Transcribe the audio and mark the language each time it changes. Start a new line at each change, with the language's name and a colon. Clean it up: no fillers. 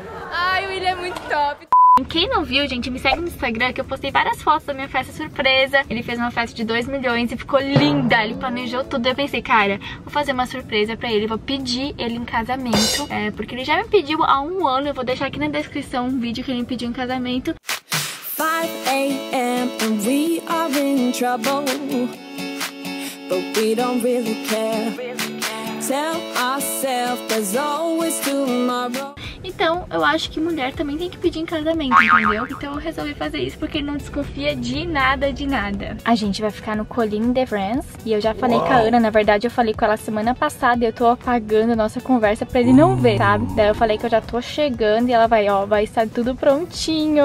Portuguese: Ai, o William é muito top. Quem não viu, gente, me segue no Instagram, que eu postei várias fotos da minha festa surpresa. Ele fez uma festa de 2 milhões e ficou linda. Ele planejou tudo. Eu pensei, cara, vou fazer uma surpresa pra ele, vou pedir ele em casamento. É, porque ele já me pediu há um ano. Eu vou deixar aqui na descrição um vídeo que ele me pediu em casamento.
English: 5 AM and we are in trouble, but we don't really care. Tell ourselves there's always tomorrow.
Portuguese: Então, eu acho que mulher também tem que pedir em casamento, entendeu? Então eu resolvi fazer isso porque ele não desconfia de nada, de nada. A gente vai ficar no Colline de France. E eu já falei com a Ana, na verdade eu falei com ela semana passada. E eu tô apagando a nossa conversa pra ele não ver, sabe? Daí eu falei que eu já tô chegando e ela vai, ó, vai estar tudo prontinho.